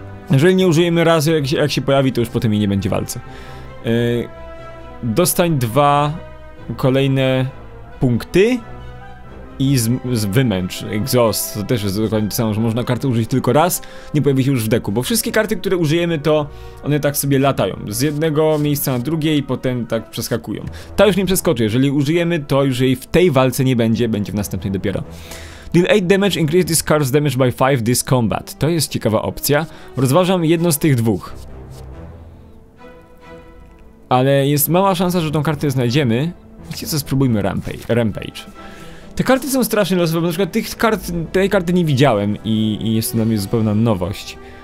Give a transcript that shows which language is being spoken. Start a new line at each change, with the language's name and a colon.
Polish: Jeżeli nie użyjemy razy, jak się pojawi, to już potem jej nie będzie w walce. Dostań dwa kolejne punkty i wymęcz, exhaust, to też jest dokładnie to samo, że można kartę użyć tylko raz, nie pojawi się już w deku, bo wszystkie karty, które użyjemy, to one tak sobie latają z jednego miejsca na drugie i potem tak przeskakują. Ta już nie przeskoczy, jeżeli użyjemy, to już jej w tej walce nie będzie, będzie w następnej dopiero.
English: Deal 8 damage, increase this card's damage by 5 this combat.
Polish: To jest ciekawa opcja, rozważam jedno z tych dwóch. Ale jest mała szansa, że tą kartę znajdziemy. Wiecie co, spróbujmy Rampage. Te karty są strasznie losowe, bo na przykład tej karty nie widziałem i jest to dla mnie zupełna nowość.